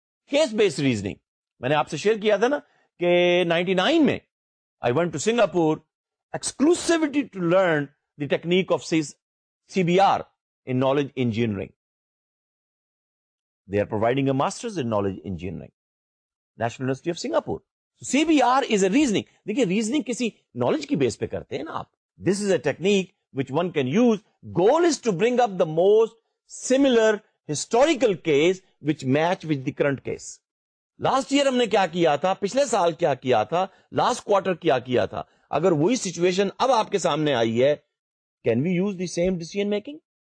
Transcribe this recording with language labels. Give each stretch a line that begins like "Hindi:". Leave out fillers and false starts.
English: Case-based reasoning.
Urdu: میں نے آپ سے شیئر کیا تھا نا کہ 99 میں
English: I went to Singapore exclusively to learn the technique of CBR in knowledge engineering. They are providing a master's in knowledge engineering. National University of Singapore. CBR is a reasoning.
Urdu: دیکھیے reasoning کسی knowledge کی base پہ کرتے ہیں نا آپ.
English: This is a technique which one can use. Goal is to bring up the most similar historical case which match with the current case.
Urdu: Last year ہم نے کیا کیا تھا, پچھلے سال کیا کیا تھا, last quarter کیا کیا تھا, اگر وہی situation اب آپ کے سامنے آئی ہے,
English: can we use the same decision making?